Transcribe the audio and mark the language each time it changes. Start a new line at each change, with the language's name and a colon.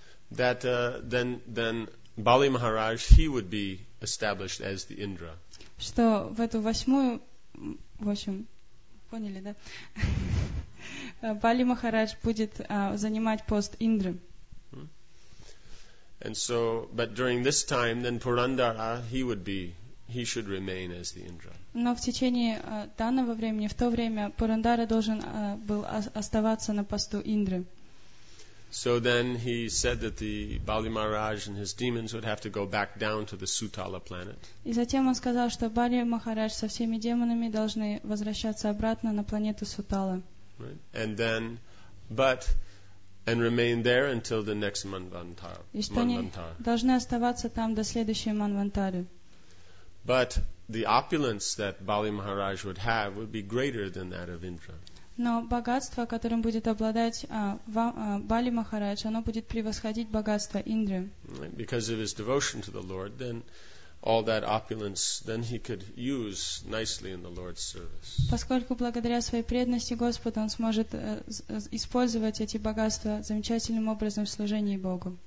English: That then Bali Maharaj, he would be established as the Indra.
Russian: Что в эту восьмую, в общем, поняли, да? Бали Махарадж будет занимать пост Индры.
English: And so, but during this time, then Purandara, he should remain as the Indra.
Russian: Но в течение данного времени, в то время, Пурандара должен был оставаться на посту Индры.
English: So then he said that the Bali Maharaj and his demons would have to go back down to the Sutala planet.
Russian: И затем он сказал, что Бали Махарадж со всеми демонами должны возвращаться обратно на планету Сутала.
English: Right. And then, but... And remain there until the next Manvantara.
Russian: И что они должны оставаться там до следующей Манвантары.
English: But the opulence that Bali Maharaj would have would be greater than that of Indra.
Russian: Но богатство, которым будет обладать Бали Махарадж, оно будет превосходить богатство Индры.
English: Because of his devotion to the Lord, then all that opulence, then he could use nicely in the Lord's service.
Russian: Поскольку благодаря своей преданности Господу, он сможет использовать эти богатства замечательным образом в служении Богу.